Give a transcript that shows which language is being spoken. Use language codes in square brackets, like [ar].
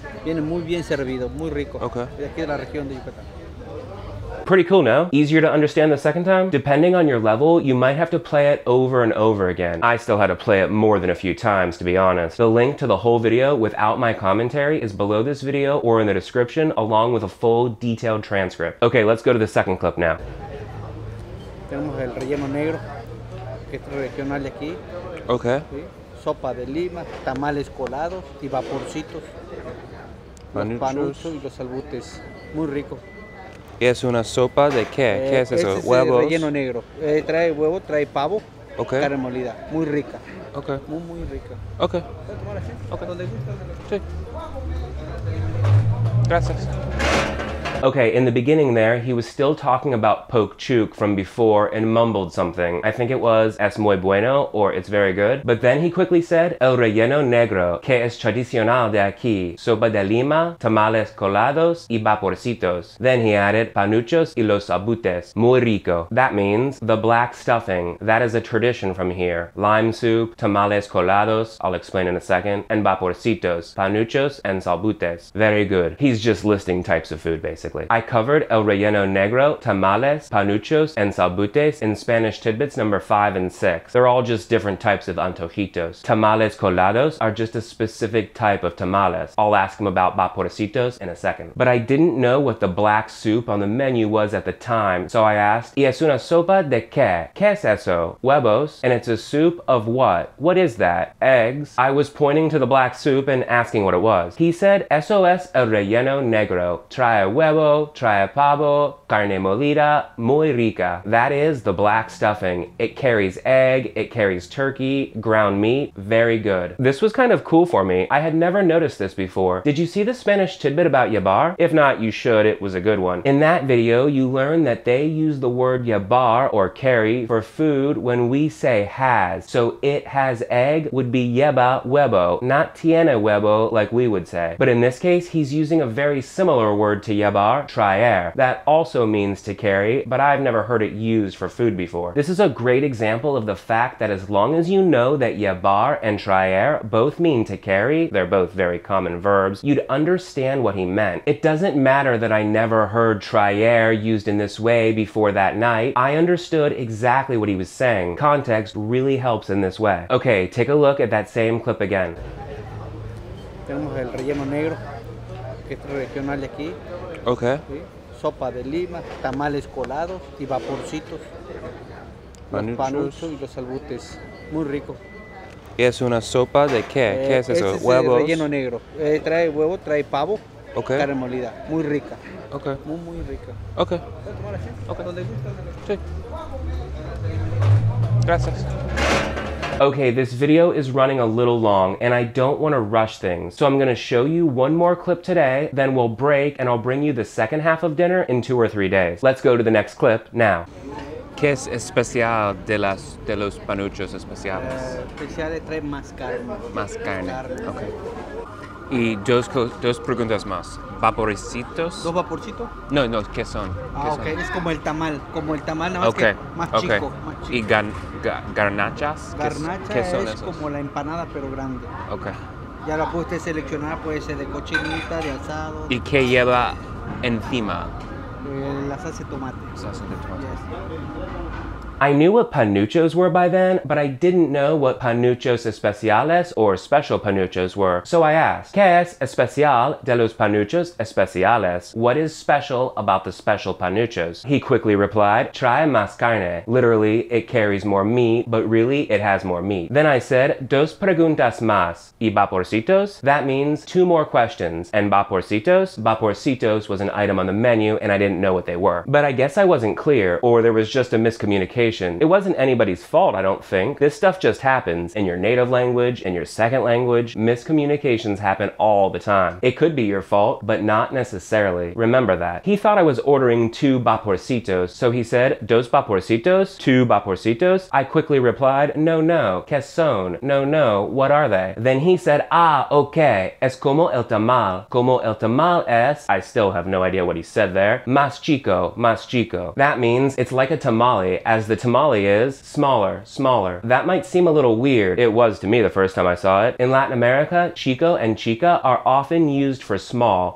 [es] Viene muy bien servido, muy rico. [en] Okay. [es] De aquí de la región de Yucatán. [en] Pretty cool, no? Easier to understand the second time? Depending on your level, you might have to play it over and over again. I still had to play it more than a few times, to be honest. The link to the whole video without my commentary is below this video or in the description, along with a full detailed transcript. Okay, let's go to the second clip now. [es] Tenemos el relleno negro, que es regional de aquí. [en] Okay. [es] ¿Sí? Sopa de lima, tamales colados y vaporcitos. Panuchos y los salbutes. Muy rico. ¿Y es una sopa de qué? ¿Qué es eso? Es huevos. Es relleno negro. Trae huevo, trae pavo. [en] Okay. [es] Carne molida. Muy rica. [en] Okay. [es] Muy rica. [en] Okay. Okay. [es] ¿Dónde gusta? Sí. Gracias. [en] Okay, in the beginning there, he was still talking about pokchuk from before and mumbled something. I think it was, [es] es muy bueno, [en] or it's very good. But then he quickly said, [es] el relleno negro, que es tradicional de aquí, sopa de lima, tamales colados, y vaporcitos. [en] Then he added, [es] panuchos y los sabutes, muy rico. [en] That means, the black stuffing, that is a tradition from here. Lime soup, tamales colados, I'll explain in a second, and vaporcitos, panuchos and sabutes. Very good. He's just listing types of food, basically. I covered el relleno negro, tamales, panuchos, and salbutes in Spanish tidbits number 5 and 6. They're all just different types of antojitos. Tamales colados are just a specific type of tamales. I'll ask him about vaporcitos in a second. But I didn't know what the black soup on the menu was at the time, so I asked, [es] ¿Y es una sopa de qué? ¿Qué es eso? Huevos. [en] And it's a soup of what? What is that? Eggs? I was pointing to the black soup and asking what it was. He said, [es] eso es el relleno negro. Trae huevos. adobo, tripe pavo, carne molida, muy rica. [en] That is the black stuffing. It carries egg, it carries turkey, ground meat. Very good. This was kind of cool for me. I had never noticed this before. Did you see the Spanish tidbit about yabar? If not, you should. It was a good one. In that video, you learned that they use the word yabar or carry for food when we say has. So it has egg would be [es] yeba huevo, [en] not [es] tiene huevo [en] like we would say. But in this case, he's using a very similar word to yabar, traer. That also means to carry, but I've never heard it used for food before. This is a great example of the fact that as long as you know that yabar and traer both mean to carry, they're both very common verbs, you'd understand what he meant. It doesn't matter that I never heard traer used in this way before that night. I understood exactly what he was saying. Context really helps in this way. Okay, take a look at that same clip again. [es] Tenemos el relleno negro, que es regional de aquí. [en] Okay. [es] ¿Sí? Sopa de lima, tamales colados y vaporcitos. Los panuchos y los albutes. Muy rico. ¿Y es una sopa de qué? ¿Qué es eso? ¿Huevos? Es relleno negro. Trae huevo, trae pavo. [en] Okay. [es] Carne molida. Muy rica. [en] Okay. [es] Muy, muy rica. [en] Okay. [es] ¿Puedes tomar así? [en] Okay. [es] ¿Donde gusta? Sí. Gracias. [en] Okay, this video is running a little long, and I don't want to rush things, so I'm gonna show you one more clip today, then we'll break, and I'll bring you the second half of dinner in 2 or 3 days. Let's go to the next clip, now. [es] ¿Qué es especial de los panuchos especiales? Especial de traer más carne. Más carne, [en] okay. [es] Y dos preguntas más. ¿Vaporcitos? ¿Dos vaporcitos? No, no, ¿qué son? Ah, [en] ok, [es] es como el tamal, nada más [en] okay. [es] Que más, [en] okay. [es] Chico. ¿Y garnachas? Garnacha es esos? Como la empanada, pero grande. [en] Ok. [es] Ya la puede usted seleccionar, puede ser de cochinita, de asado. ¿Y qué lleva encima? La salsa de tomate. Salsa de tomate. [en] Yes. I knew what panuchos were by then, but I didn't know what panuchos especiales or special panuchos were. So I asked, [es] ¿Qué es especial de los panuchos especiales? [en] What is special about the special panuchos? He quickly replied, [es] trae más carne. [en] Literally, it carries more meat, but really, it has more meat. Then I said, [es] dos preguntas más. ¿Y vaporcitos? [en] That means two more questions. And vaporcitos? Vaporcitos was an item on the menu, and I didn't know what they were. But I guess I wasn't clear, or there was just a miscommunication. It wasn't anybody's fault, I don't think. This stuff just happens in your native language, in your second language. Miscommunications happen all the time. It could be your fault, but not necessarily. Remember that. He thought I was ordering two vaporcitos, so he said, [es] dos vaporcitos, [en] two vaporcitos. I quickly replied, [es] no, no, ¿qué son? [en] No, no, what are they? Then he said, [es] ah, okay, es como el tamal es, [en] I still have no idea what he said there, [es] más chico, [en] that means it's like a tamale, as the tamale is smaller, smaller. That might seem a little weird. It was to me the first time I saw it. In Latin America, chico and chica are often used for small.